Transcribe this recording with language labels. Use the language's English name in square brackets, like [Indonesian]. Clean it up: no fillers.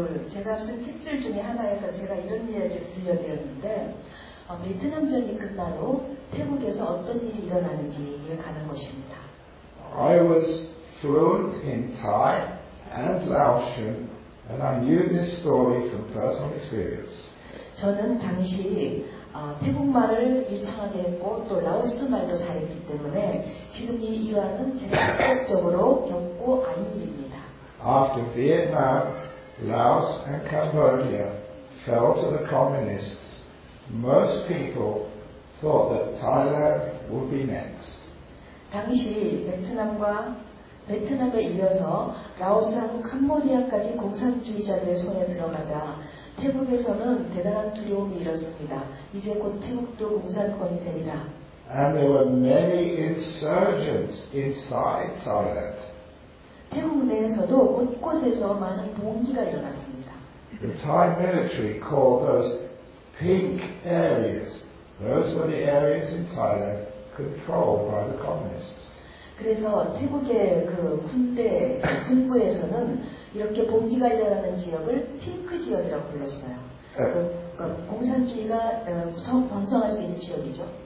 [Korean] 제가 쓴 책들 중에 하나에서 제가 이런 이야기를 들려드렸는데 베트남전이 끝난 후 태국에서 어떤 일이 일어나는지 얘기하는 것입니다. [English] I was fluent in Thai and Laotian and I knew this story from personal experience. [Korean] 저는 당시 태국말을 유창하게 했고 또 라오스 말도 잘했기 때문에 지금 이 일화는 제가 직접적으로 겪고 안 일입니다. [English] After Vietnam, Laos and Cambodia fell to the communists, most people thought that Thailand would be next. [Korean] 당시 베트남과 베트남에이어서라오스하고캄보디아까지공산주의자들의손에들어가자태국에서는대단한두려움이일었습니다이제곧태국도공산권이되리라 [English] And there were many insurgents inside Thailand. [Korean] 태국내에서도곳곳에서많은봉기가일어났습니다 [English] The Thai military called those pink areas. Those were the areas in Thailand controlled by the communists. [Korean] 그래서태국의그군대군부에서는이렇게봉기가일어나는지역을핑크지역이라고불렀어요 공산주의가번성할수있는지역이죠